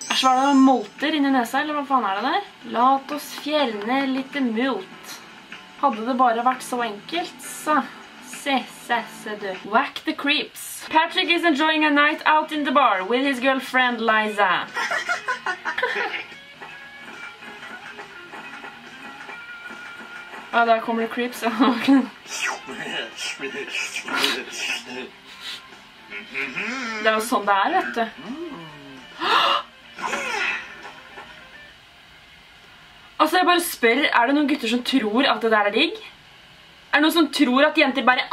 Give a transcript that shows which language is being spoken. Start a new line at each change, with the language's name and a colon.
Norwegian: Asj, var det noen molter inni nesa, eller hva faen er det der? La oss fjerne litt mult. Hadde det bare vært så enkelt, så... Se, se, se du.
English: Whack the creeps. Patrick is enjoying a night out in the bar with his girlfriend Liza.
Norwegian: Ah, der kommer det creeps, ja. Det er jo sånn det er, vet du. Altså, jeg bare spør, er det noen gutter som tror at det der er digg? Er det noen som tror at jenter bare...